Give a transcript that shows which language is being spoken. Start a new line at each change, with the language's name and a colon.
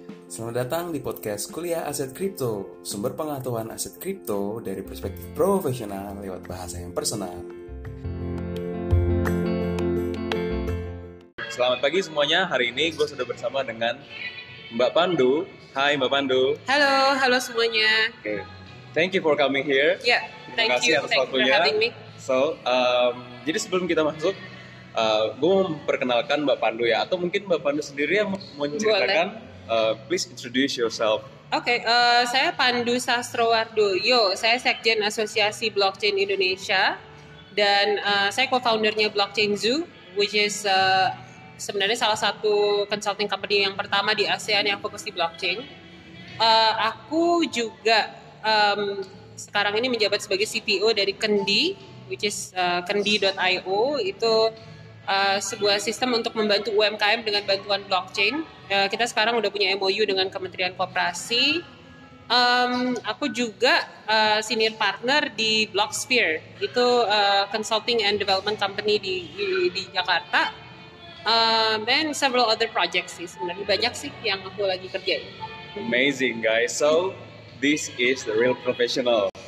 Indonesian: Selamat datang di podcast Kuliah Aset Kripto, sumber pengetahuan aset kripto dari perspektif profesional lewat bahasa yang personal. Selamat pagi semuanya. Hari ini gue sudah bersama dengan Mbak Pandu. Hai, Mbak Pandu. Halo, halo semuanya. Oke. Okay.
English: Thank you for coming here. Ya, yeah, thank
Indonesian: kasih
English: you.
Indonesian: Atas waktunya. So, jadi sebelum kita masuk, gue mau memperkenalkan Mbak Pandu ya, atau mungkin Mbak Pandu sendiri yang mau menceritakan.
English: Please introduce yourself.
Indonesian: Oke, saya Pandu Sastrowardoyo. Saya Sekjen Asosiasi Blockchain Indonesia dan saya co-foundernya Blockchain Zoo,
English: which is
Indonesian: sebenarnya salah satu consulting company yang pertama di ASEAN yang fokus di blockchain. Aku juga sekarang ini menjabat sebagai CTO dari Kendi,
English: which is
Indonesian: kendi.io. Itu sebuah sistem untuk membantu UMKM dengan bantuan blockchain. Kita sekarang udah punya MOU dengan Kementerian Koperasi. Aku juga senior partner di Blocksphere.
English: Itu consulting and development company di Jakarta. And several other projects sih.
Indonesian: Sebenarnya banyak sih yang aku lagi kerjain.
English: Amazing, guys. So, this is the real professional.